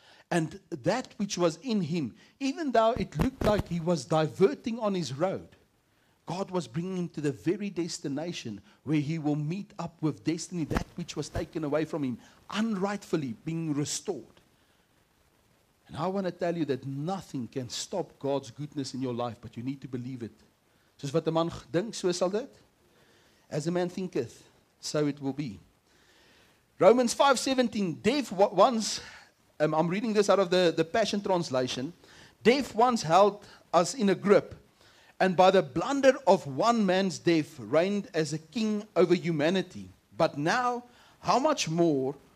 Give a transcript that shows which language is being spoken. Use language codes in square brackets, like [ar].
[en] And that which was in him, even though it looked like he was diverting on his road, God was bringing him to the very destination where he will meet up with destiny, that which was taken away from him, unrightfully being restored. And I want to tell you that nothing can stop God's goodness in your life, but you need to believe it. [af] Soos wat 'n man dink, so sal dit. [en] As a man thinketh, so it will be. Romans 5:17, I'm reading this out of the Passion Translation. Death once held us in a grip, and by the blunder of one man's death reigned as a king over humanity. But now, how much more